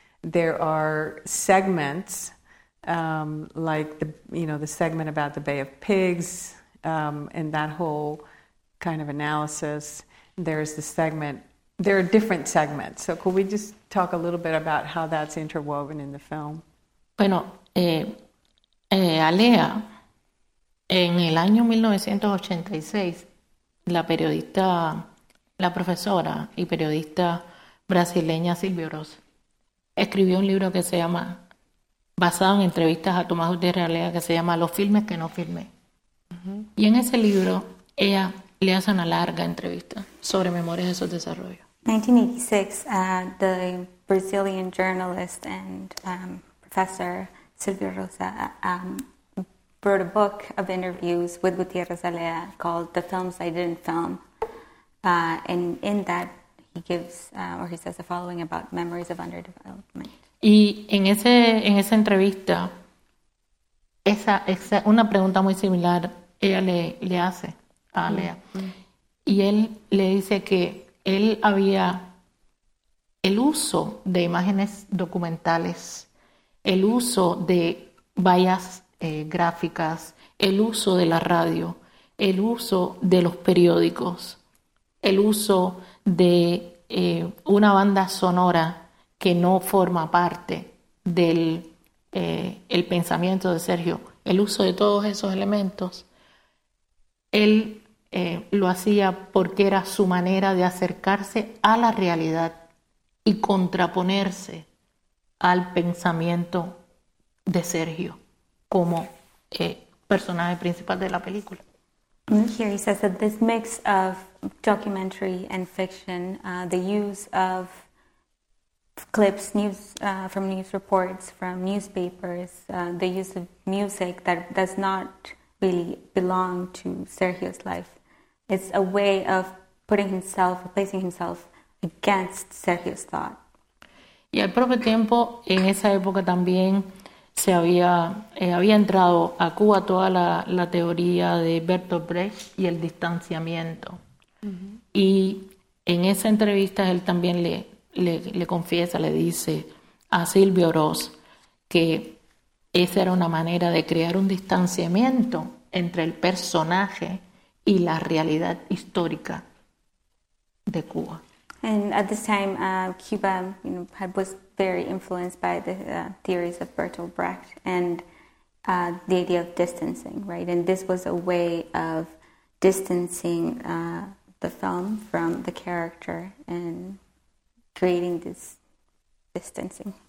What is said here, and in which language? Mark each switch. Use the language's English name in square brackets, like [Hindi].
[English] There are segments, like the segment about the Bay of Pigs, and that whole kind of analysis. There's the segment. There are different segments. So could we just talk a little bit about how that's interwoven in the film? [Spanish] Bueno, Alea, en el año 1986, la profesora y periodista brasileña Silvio Ross escribió un libro que se llama, basado en entrevistas a Tomás Gutiérrez Alea, que se llama Los filmes que no filmé. Uh-huh. Y en ese libro ella le hace una larga entrevista sobre Memorias de esos desarrollos. [English] 1986, the Brazilian journalist and professor Silvia Rosa wrote a book of interviews with Gutierrez Alea called The Films I Didn't Film. And in that, he gives, or he says the following about memories of underdevelopment. [Spanish] Y en esa entrevista, esa una pregunta muy similar ella le hace a Alea. Mm-hmm. Y él le dice que él había el uso de imágenes documentales, el uso de vallas gráficas, el uso de la radio, el uso de los periódicos, el uso de una banda sonora que no forma parte del el pensamiento de Sergio, el uso de todos esos elementos, él lo hacía porque era su manera de acercarse a la realidad y contraponerse al pensamiento de Sergio como personaje principal de la película. [English] Here he says that this mix of documentary and fiction, the use of clips, news from news reports, from newspapers, the use of music that does not really belong to Sergio's life. It's a way of putting himself, placing himself against Sergio's thought. [Spanish] Y al propio tiempo, en esa época también se había había entrado a Cuba toda la teoría de Bertolt Brecht y el distanciamiento. Mm-hmm. Y en esa entrevista él también le confiesa, le dice a Silvio Ross que esa era una manera de crear un distanciamiento entre el personaje y la realidad histórica de Cuba. [English] And at this time, Cuba, you know, was very influenced by the theories of Bertolt Brecht and the idea of distancing, right? And this was a way of distancing the film from the character and creating this distancing.